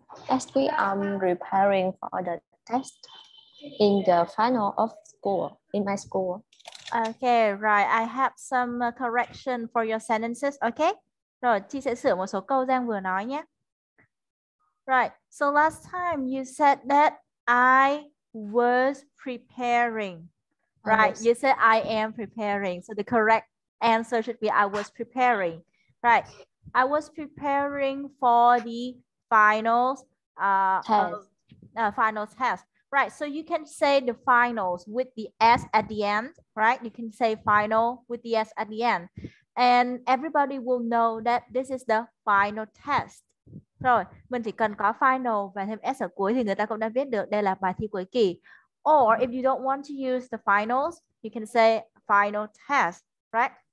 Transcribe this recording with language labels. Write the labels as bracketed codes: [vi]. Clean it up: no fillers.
[en] Last week, I'm preparing for the test in the final of school, in my school. Okay, right. I have some correction for your sentences. Okay. [vi] Rồi, chị sẽ sửa một số câu Giang vừa nói nhé. [en] Right. So last time you said that I was preparing. I Right. was. You said I am preparing. So the correct answer should be I was preparing. Right. I was preparing for the finals, Test. final test. Right, so you can say the finals with the S at the end, right? You can say final with the S at the end. And everybody will know that this is the final test. [vi] Rồi, mình chỉ cần có final và thêm S ở cuối thì người ta cũng đã biết được đây là bài thi cuối kỳ. [en] Or if you don't want to use the finals, you can say final test, right?